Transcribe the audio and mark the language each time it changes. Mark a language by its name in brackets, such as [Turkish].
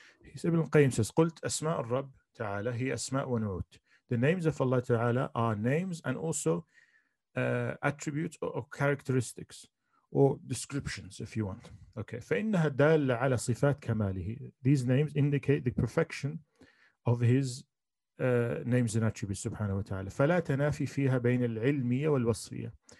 [English] He says, Ibn Qayyim says, [Arabic] قلت أسماء الرب تعالى هي أسماء ونعوت. [English] The names of Allah ta'ala are names and also attributes or characteristics or descriptions, if you want. Okay. [Arabic] فإنها دالة على صفات كماله. [English] These names indicate the perfection of his names and attributes, subhanahu wa ta'ala. [Arabic] فلا تنافي فيها بين العلمية والوصفية.